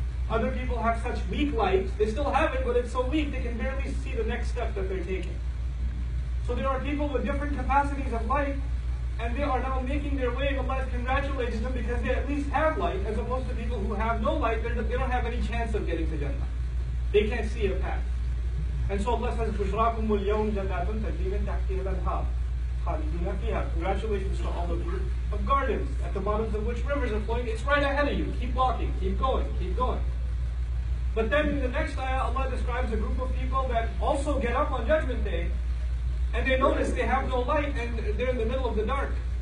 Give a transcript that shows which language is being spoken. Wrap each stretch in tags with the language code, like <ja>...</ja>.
<en>Other people have such weak light, they still have it, but it's so weak they can barely see the next step that they're taking. So there are people with different capacities of light, and they are now making their way, and Allah congratulates them because they at least have light, as opposed to people who have no light, they don't have any chance of getting to Jannah. They can't see a path. And so Allah says,</en> <ar>بُشْرَاكُمْ الْيَوْمْ جَنَّاتٌ تَجْرِيمٍ تَحْتِهَا الْأَنْهَارُ خَالِدِينَ فِيهَا.</ar> <en>Congratulations to all of you of gardens, at the bottoms of which rivers are flowing. It's right ahead of you. Keep walking, keep going, keep going. But then in the next ayah, Allah describes a group of people that also get up on Judgment Day, and they notice they have no light, and they're in the middle of the dark.</en>